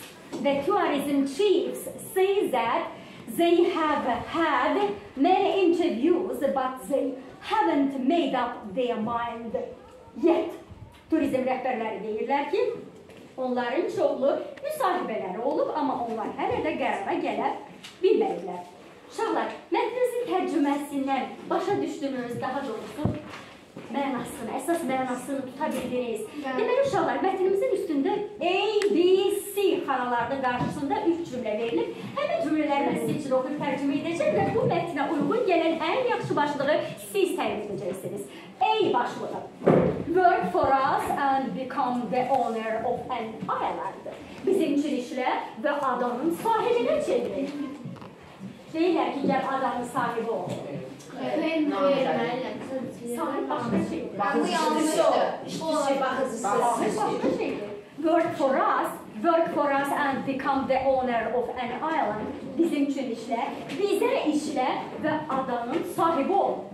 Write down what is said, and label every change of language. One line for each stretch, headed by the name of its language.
English: The tourism chiefs say that they have had many interviews, but they haven't made up their mind yet.
Azerbaijani: Turizm rəhbərləri deyirlər ki, onların çoxlu müsahibələri olub, amma onlar hələ də qərara gələ bilməyiblər. Uşaqlar, mətnimizin tərcüməsindən başa düşdünüz, daha doğrusu mənasını, əsas mənasını tuta bildiniz. Deməli, uşaqlar, mətnimizin üstündə A, B, C xanalarda qarşısında 3 cümlə verilib. Həmin cümlələri mən sizin üçün oxuyub tərcümə edəcək və bu mətnə uyğun gələn ən yaxşı başlığı siz təyin edəcəksiniz. A başlığı.
English: Work for us and become the owner of an island.
Azerbaijani: Bizim üçün işlə və adanın sahibinə çevirin. Deyirlər ki, gəl adanın sahibi ol. Sahib başqa şeydir. Bu yanlışdır. İşçi, baxıcısı.
English: Work for us, work for us and become the owner of an island.
Turkish: Bizim için işle, bize işle ve adanın sahibi ol.